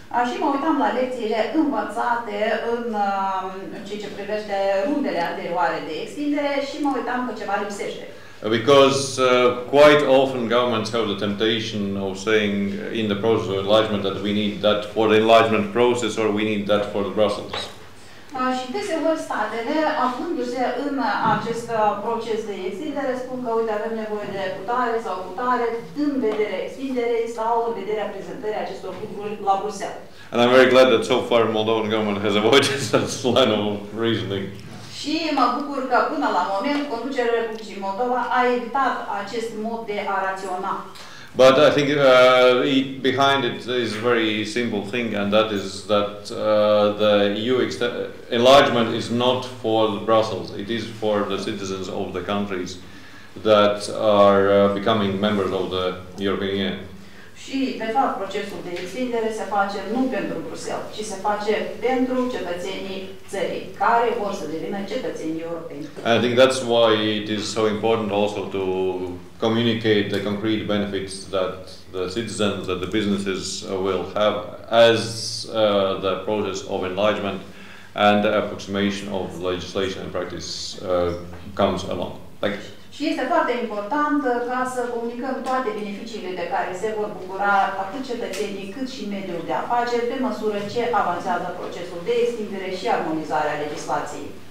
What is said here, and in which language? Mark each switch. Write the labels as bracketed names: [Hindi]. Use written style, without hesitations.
[Romanian] Și mă uitam la lecțiile învățate în ceea ce privește rundele anterioare de extindere și mă uitam că ceva lipsește. [English] Because quite often governments have the temptation of saying in the process of enlargement that we need that for the enlargement process, or we need that for the Brussels. [Romanian] Și deseori statele, aflându-se în acest proces de extindere, spun că, uite, avem nevoie de putare sau putare în vederea extinderei sau în vederea prezentării acestor lucruri la Bruxelles. [English] And I'm very glad that so far Moldovan government has avoided such line of reasoning. [Romanian] Și mă bucur că până la moment conducerea Republicii Moldova a evitat acest mod de a raționa. [English] But I think behind it is a very simple thing, and that is that the EU enlargement is not for Brussels, it is for the citizens of the countries that are becoming members of the European Union. [Romanian] Și, de fapt, procesul de extindere se face nu pentru Bruxelles, ci se face pentru cetățenii țării, care vor să devină cetățenii europeni. [English] I think that's why it is so important also to communicate the concrete benefits that the citizens, that the businesses will have as the process of enlargement and the approximation of legislation and practice comes along. Thank you. [Romanian] Și este foarte important ca să comunicăm toate beneficiile de care se vor bucura atât cetățenii cât și mediul de afaceri pe măsură ce avansează procesul de extindere și armonizarea legislației.